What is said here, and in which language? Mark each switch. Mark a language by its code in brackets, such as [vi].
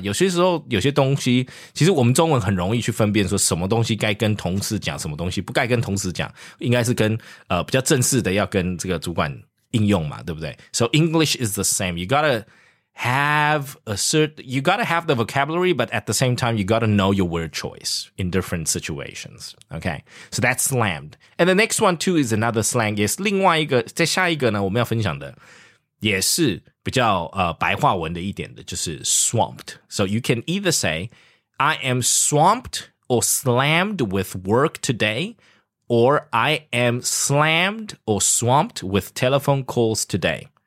[zh] 有些时候有些东西其实我们中文很容易去分辨说什么东西该跟同事讲什么东西不该跟同事讲。应该是跟比较正式的要跟这个主管应用嘛，对不对？ [en] So English is the same. You gotta have a certain, you gotta have the vocabulary, but at the same time, you gotta know your word choice in different situations. Okay, so that's slammed. And the next one too is another slang. [zh] 也是另外一个，在下一个呢，我们要分享的也是比较白话文的一点的，就是 swamped. [en] So you can either say, I am swamped or slammed with work today. Or I am slammed or swamped with telephone calls today.